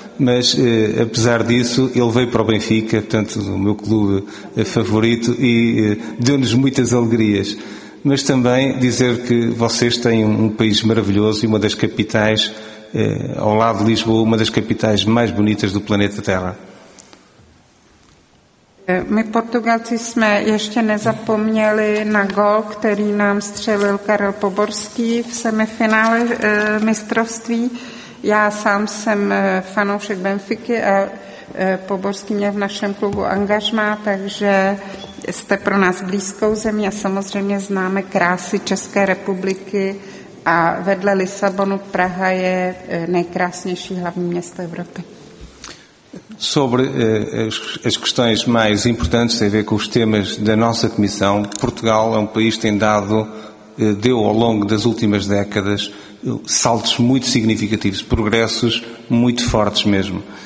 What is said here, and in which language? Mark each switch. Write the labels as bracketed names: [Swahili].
[Portuguese] Mas, apesar disso, ele veio para o Benfica, portanto, o meu clube favorito, e deu-nos muitas alegrias. Mas também dizer que vocês têm um país maravilhoso e uma das capitais, ao lado de Lisboa, uma das capitais mais bonitas do planeta Terra. [Czech] My Portugalci jsme ještě nezapomněli na gol, který nám střelil Karel Poborský v semifinále mistrovství. Já sám jsem fanoušek Benfiky a Poborský měl v našem klubu angažmá, takže jste pro nás blízkou zemí a samozřejmě známe krásy České republiky a vedle Lisabonu Praha je nejkrásnější hlavní město Evropy. [Portuguese] Sobre as questões mais importantes têm a ver com os temas da nossa comissão. Portugal é um país que deu ao longo das últimas décadas saltos muito significativos, progressos muito fortes mesmo.